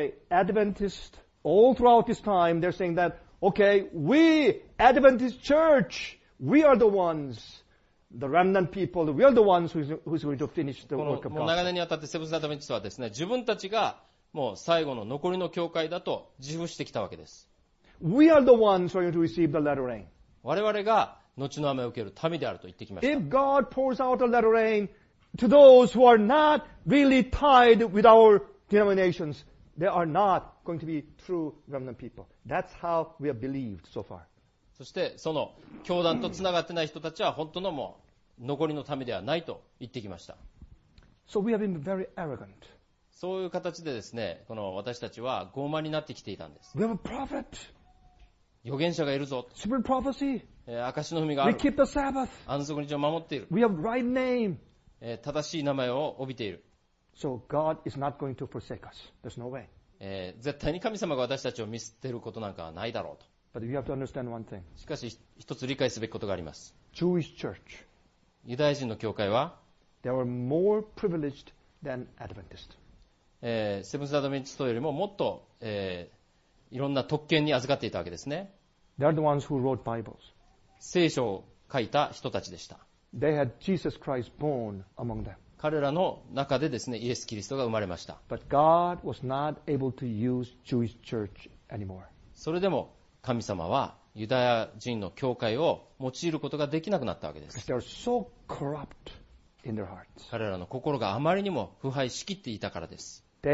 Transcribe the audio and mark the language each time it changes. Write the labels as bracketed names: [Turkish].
[English] Adventist all throughout this time, they're saying that, okay, we, Adventist Church, we are the ones, the remnant people, we are the ones who's going to finish the work of God. [Japanese] この長年にわたってセブンス・アドベンチストはですね、自分たちがもう最後の残りの教会だと自負してきたわけです。 [English] We are the ones who are going to receive the latter rain. [Japanese] 我々が後の雨を受ける民であると言ってきました。 [English] If God pours out the latter rain to those who are not really tied with our denominations, they are not going to be true remnant people. That's how we have believed so far. [Japanese] そしてその教団とつながってない人たちは本当のもう残りの民ではないと言ってきました。 [English] So we have been very arrogant. [Japanese] そういう形でですね、この私たちは傲慢になってきていたんです。 [English] We have a prophet. [Japanese] 預言者がいるぞ。 [English] Spirit prophecy. [Japanese] 証の文がある。 [English] We keep the Sabbath. [Japanese] 安息日を守っている。 [English] We have right name. [Japanese] 正しい名前を帯びている。 [English] So God is not going to forsake us. There's no way. [Japanese] 絶対に神様が私たちを見捨てることなんかはないだろうと。 [English] But we have to understand one thing. [Japanese] しかし一つ理解すべきことがあります。 [English] Jewish church. [Japanese] ユダヤ人の教会は [English] They were more privileged than Adventist. [Japanese] セブンス・アドベンチストよりももっと、いろんな特権に預かっていたわけですね。 [English] They are the ones who wrote Bibles. [Japanese] 聖書を書いた人たちでした。 [English] They had Jesus Christ born among them. [Japanese] 彼らの中でですね、イエス・キリストが生まれました。 [English] But God was not able to use Jewish church anymore. [Japanese] それでも神様はユダヤ人の教会を用いることができなくなったわけです。 [English] They are so corrupt. [Japanese] 彼らの心があまりにも腐敗しきっていたからです。